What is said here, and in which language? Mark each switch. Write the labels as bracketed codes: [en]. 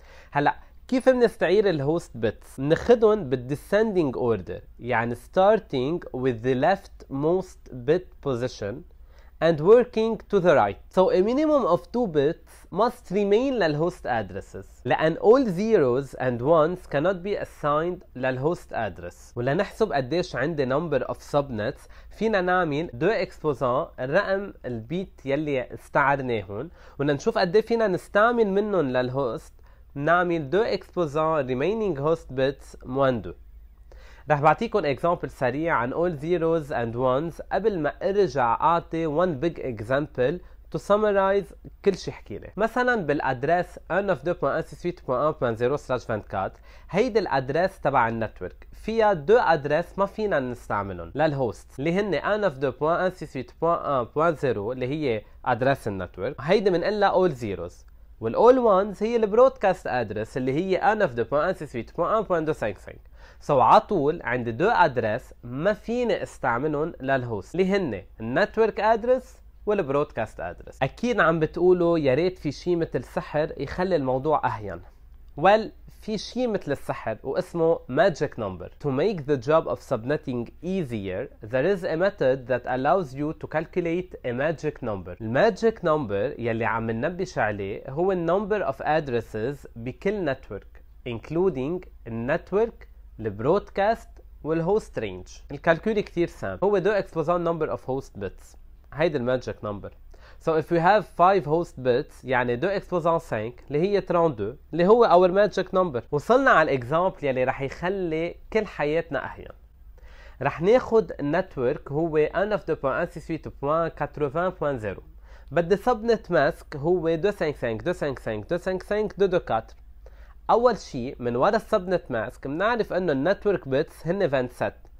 [ar] هلا كيف بنستعير الهوست بيتس؟ بناخذهم بالديسندينج اوردر, يعني [en] starting with the leftmost bit position and working to the right. So a minimum of 2 bits must remain [ar] للهوست ادرسز, لان [en] all zeros and ones cannot be assigned [ar] للهوست ادرس. ولنحسب قديش عندي [en] number of subnets [ar] فينا نعمل 2 exponent الرقم البيت يلي استعرناهن, ونشوف قدي فينا نستعمل منهم للهوست. [en] نعمل 2 exponent remaining host bits 1-2. [ar] رح بعطيكم اكزامبل سريع عن [en] all zeros and ones [ar] قبل ما ارجع اعطي [en] one big example to summarize [ar] كل شي حكينا. مثلا بالادرس nf2.ancsuite.1.0/24 هيدا الادرس تبع النتورك, فيها 2 ادرس ما فينا نستعملهم للهوست, اللي هن nf2.ancsuite.1.0 اللي هي ادرس النتورك, هيدا منقلها all zeros, والall ones هي البرودكاست ادرس اللي هي nf2.ancsuite.1.255. سو على طول عندي 2 ادرس ما فيني استعملهم للهوست, اللي هن النتورك ادرس والبرودكاست ادرس. اكيد عم بتقولوا يا ريت في شيء مثل السحر يخلي الموضوع اهين. في شيء مثل السحر واسمه ماجيك نمبر. [en] To make the job of subnetting easier, there is a method that allows you to calculate a magic number. [ar] الماجيك نمبر يلي عم ننبش عليه هو [en] number of addresses [ar] بكل network, [en] including network, [ar] البرودكاست والهوست رينج. الكالكولي كتير سام, هو 2 exponent number of host bits, هيدا الماجيك نمبر. [en] So if we have 5 host bits, [ar] يعني 2 exponent 5 اللي هي 32 اللي هو [en] our magic number. [ar] وصلنا على الاكزامبل يلي رح يخلي كل حياتنا اهين. رح ناخد network هو nf2.ancsuite.80.0, بدي subnet mask هو 255.255.255.224. اول شيء من ورا subnet mask بنعرف انه network bits هن 27.